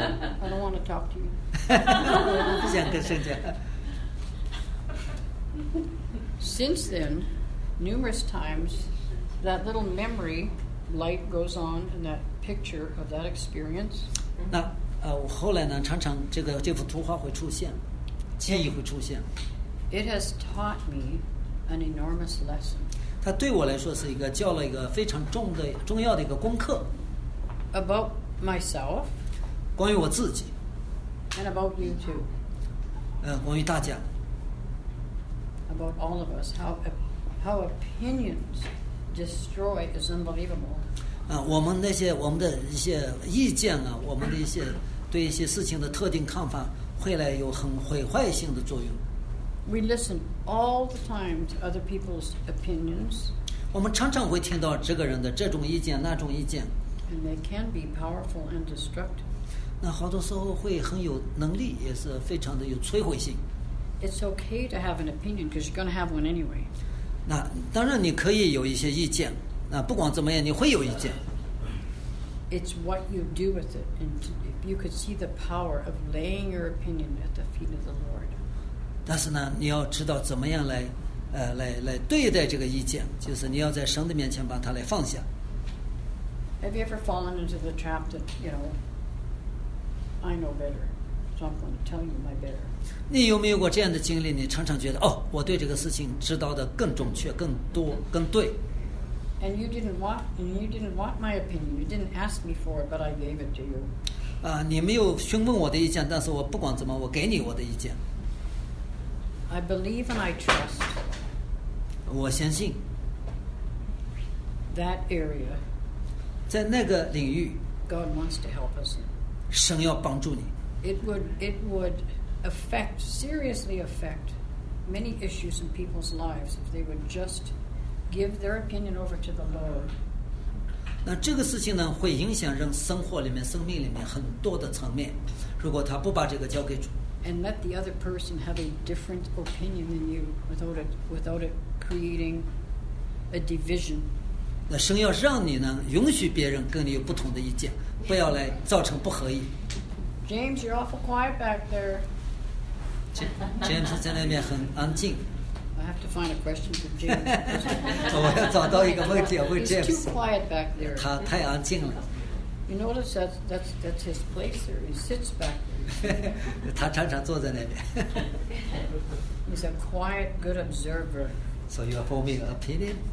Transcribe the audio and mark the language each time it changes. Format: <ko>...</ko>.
<en>I don't want to talk to you.</en> <zh>不想跟神讲。</zh> <en>Since then, numerous times, that little memory light goes on in that picture of that experience.</en> <zh>那后来呢？常常这幅图画会出现，记忆会出现。</zh> <en>It has taught me an enormous lesson.</en> <zh>它对我来说是一个教了一个非常重要的一个功课。</zh> <en>About myself.</en> <zh>关于我自己。</zh> <en>And about you too.</en> <zh>关于大家。</zh> <en>About all of us, how opinions destroy is unbelievable.</en> <zh>我们的一些意见啊，我们的一些对一些事情的特定看法，会来有很毁坏性的作用。</zh> <en>We listen all the time to other people's opinions.</en> <zh>我们常常会听到这个人的这种意见那种意见。</zh> <en>And they can be powerful and destructive.</en> <zh>那好多时候会很有能力，也是非常的有摧毁性。</zh> <en>It's okay to have an opinion because you're going to have one anyway.</en> <zh>那当然你可以有一些意见，那不管怎么样你会有意见。</zh> <en>It's what you do with it, and if you could see the power of laying your opinion at the feet of the Lord.</en> <zh>但是呢，你要知道怎么样来对待这个意见，就是你要在神的面前把它来放下。</zh> <en>Have you ever fallen into the trap that you know I know better, so I'm going to tell you my better?</en> <zh>你有没有过这样的经历？你常常觉得哦，我对这个事情知道的更准确、更多、更对。</zh> <en>And you didn't want my opinion. You didn't ask me for it, but I gave it to you.</en> <zh>你没有询问我的意见，但是我不管怎么，我给你我的意见。</zh> <en>I believe and I trust.</en> <zh>我相信。</zh> <en>That area.</en> <zh>在那个领域。</zh> <en>God wants to help us in.</en> <zh>神要帮助你。</zh> <en>It would affect, seriously affect many issues in people's lives if they would just give their opinion over to the Lord.</en> <zh>那这个事情呢，会影响人生活里面、生命里面很多的层面。如果他不把这个交给主。</zh> <en>And let the other person have a different opinion than you without it creating a division.</en> <zh>那神要让你呢，允许别人跟你有不同的意见，不要来造成不合意。</zh> <en>James, you're awful quiet back there.</en> <zh>James 在那边很安静。</zh> <en>I have to find a question for James.</en> <zh>我要找到一个问题要问 James.</zh> <en>He's too quiet back there.</en> <zh>他太安静了。</zh> <en>You notice that's his place there. He sits back there.</en> <zh>他常常坐在那边。</zh> <en>He's a quiet, good observer. So you are forming an opinion?</en>